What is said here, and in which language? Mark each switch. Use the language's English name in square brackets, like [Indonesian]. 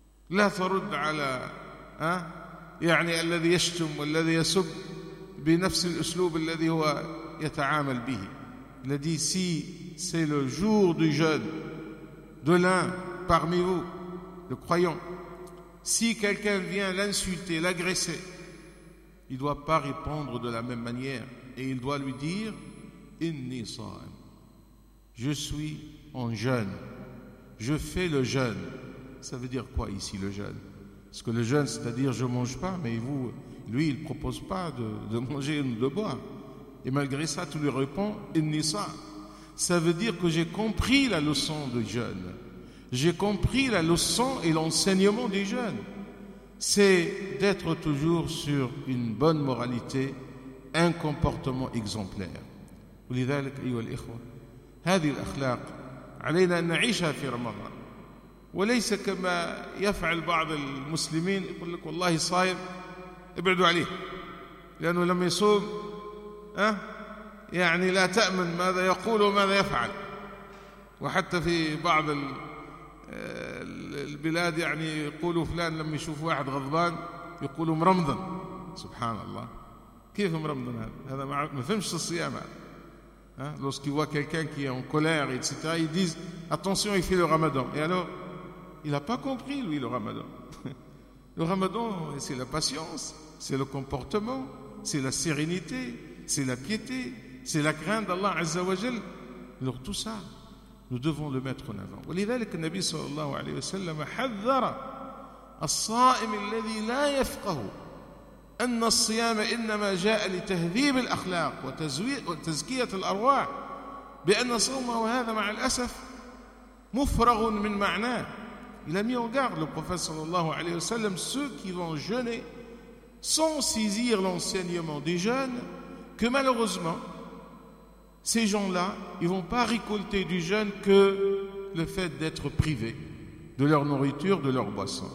[Arabic] لا ترد على يعني الذي يشتم والذي يسب بنفس الأسلوب الذي هو يتعامل به. الذي سي سي لو جور دو جون دو لان [French] parmi vous le croyant, si quelqu'un vient l'insulter, l'agresser, il doit pas répondre de la même manière, et il doit lui dire [Arabic] inni sa'im, [French] je suis en jeûne, je fais le jeûne. Ça veut dire quoi ici le jeûne? Parce que le jeûne, c'est-à-dire je ne mange pas, mais vous, lui, il ne propose pas de manger ou de boire. Et malgré ça, tu lui réponds, inni sa. Ça veut dire que j'ai compris la leçon du jeûne. J'ai compris la leçon et l'enseignement du jeûne. C'est d'être toujours sur une bonne moralité, un comportement exemplaire. [Arabic] ولذلك, أيها الإخوة, هذه الأخلاق علينا أن نعيشها في رمضان. وليس كما يفعل بعض المسلمين يقول لك والله صايم ابعدوا عليه لأنه لم يصوم يعني لا تأمن ماذا يقول وماذا يفعل. وحتى في بعض البلاد يعني يقولوا فلان لم يشوف واحد غضبان يقولوا مرمضن. سبحان الله، كيف مرمضن هذا؟ ما فهمش الصيام هذا. [French] Hein, lorsqu'ils voient quelqu'un qui est en colère, etc., ils disent, attention, il fait le ramadan. Et alors, il n'a pas compris, lui, le ramadan. Le ramadan, c'est la patience, c'est le comportement, c'est la sérénité, c'est la piété, c'est la crainte d'Allah Azza wa Jal. Alors tout ça, nous devons le mettre en avant. [Arabic] ولذلك النبي صلى الله عليه وسلم حذر الصائم الذي لا يفقه أن الصيام إنما جاء لتهذيب الأخلاق وتزكية الأرواح بأن صومه هذا مع الأسف مفرغ من معناه. [French] Il a mis en garde le prophète صلى الله عليه وسلم ceux qui vont jeûner sans saisir l'enseignement des jeûnes, que malheureusement ces gens-là, ils ne vont pas récolter du jeûne que le fait d'être privé de leur nourriture, de leur boisson.